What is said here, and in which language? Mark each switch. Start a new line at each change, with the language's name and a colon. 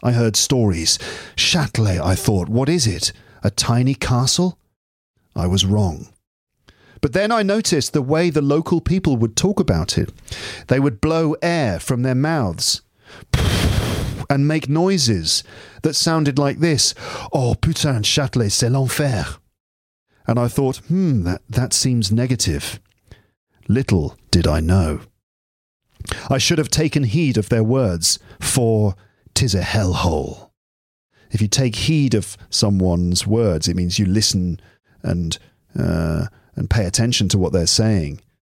English: I heard stories. Châtelet, I thought. What is it? A tiny castle? I was wrong. But then I noticed the way the local people would talk about it. They would blow air from their mouths and make noises that sounded like this.
French: Oh, putain, Châtelet, c'est l'enfer.
English: And I thought, that seems negative. Little did I know. I should have taken heed of their words, for 'tis a hellhole. If you take heed of someone's words, it means you listen and pay attention to what they're saying.